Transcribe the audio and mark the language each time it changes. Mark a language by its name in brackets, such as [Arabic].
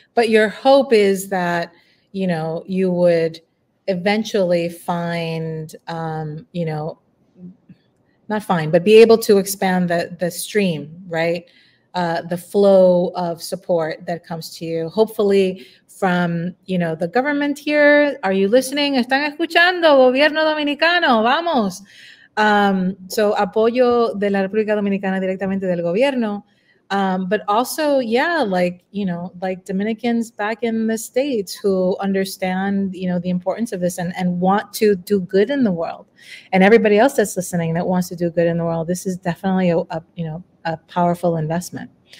[English] But your hope is that, you know, you would eventually find, you know, not find, but be able to expand the stream, right? The flow of support that comes to you, hopefully from, you know, the government here. Are you listening? [Spanish] Están escuchando, gobierno dominicano, vamos. So apoyo de la República Dominicana directamente del gobierno. [English] But also, yeah, like, you know, like Dominicans back in the States who understand, you know, the importance of this and want to do good in the world. And everybody else that's listening that wants to do good in the world, this is definitely a powerful investment.